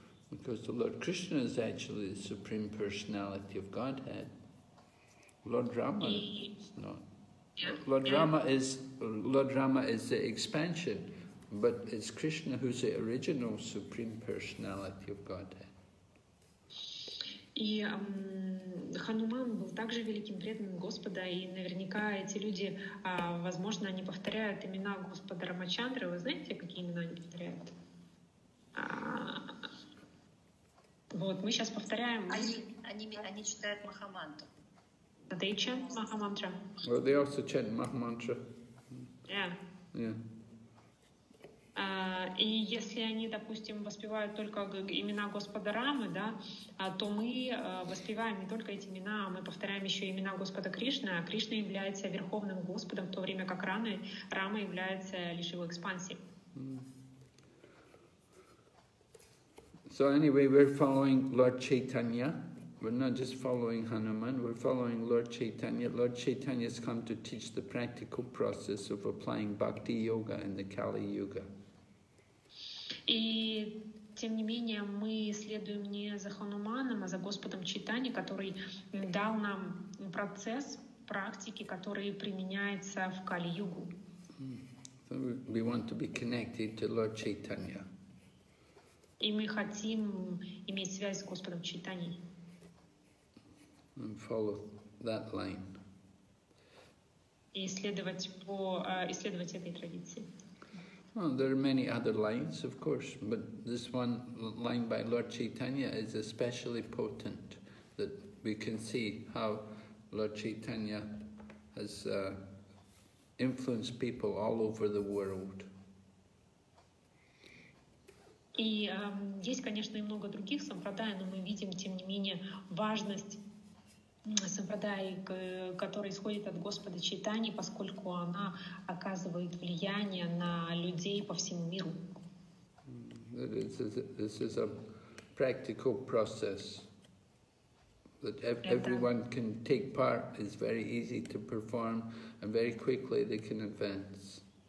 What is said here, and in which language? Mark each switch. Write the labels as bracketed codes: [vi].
[en] Because the Lord Krishna is actually the Supreme Personality of Godhead. Lord Rama is not. Lord Rama is the expansion, but it's Krishna who's the original Supreme Personality of Godhead. [ru] И Хануман был также великим преданным Господа, и наверняка эти люди, возможно, они повторяют имена Господа Рамачандры. Вы знаете, какие имена они повторяют? Вот, мы сейчас повторяем. Они читают Махамантру. [en] They chant Махамантра. Well, they also chant Махамантра. Yeah. Yeah. [ru] И если они, допустим, воспевают только имена Господа Рамы, да, то мы воспеваем не только эти имена, а мы повторяем еще имена Господа Кришны. А Кришна является Верховным Господом, в то время как Рама является лишь его экспансией. [en] So anyway, we're following Lord Chaitanya. We're not just following Hanuman, we're following Lord Chaitanya. Lord Chaitanya has come to teach the practical process of applying Bhakti Yoga in the Kali Yuga. [ru] И тем не менее, мы следуем не за Хануманом, а за Господом Чайтани, который дал нам процесс практики, который применяется в Кали-Югу. [en] So we want to be connected to Lord Chaitanya. [ru] И мы хотим иметь связь с Господом Чайтани. [en] And follow that line. [ru] И исследовать этой традиции. [en] Well, there are many other lines, of course, but this one line by Lord Chaitanya is especially potent, that we can see how Lord Chaitanya has influenced people all over the world. [ru] И есть, конечно, и много других сампрадая, но мы видим, тем не менее, важность сампрадая, которая исходит от Господа Чайтани, поскольку она оказывает влияние на людей по всему миру. [en] This is a practical process that everyone can take part. It's very easy to perform, and very quickly they can advance.